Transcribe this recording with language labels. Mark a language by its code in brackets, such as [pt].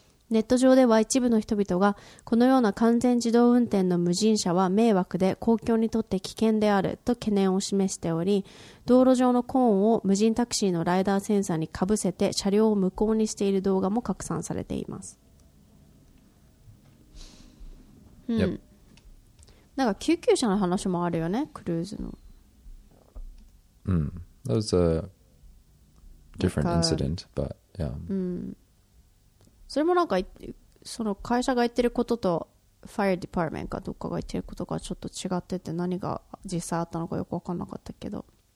[ja] ネット上では一部の人々がこのような完全自動運転の無人車は迷惑で公共にとって危険であると懸念を示しており、道路上のコーンを無人タクシーのライダーセンサーにかぶせて車両を無効にしている動画も拡散されています。うん、 [en] yep. [ja] なんか救急車の話もあるよね、クルーズの。 [en] うん、that was a different incident, but yeah. [ja] うん、それもなんかその会社が言ってることとファイアディパーメントかどっかが言ってることがちょっと違ってて、何が実際あったのかよく分かんなかったけど。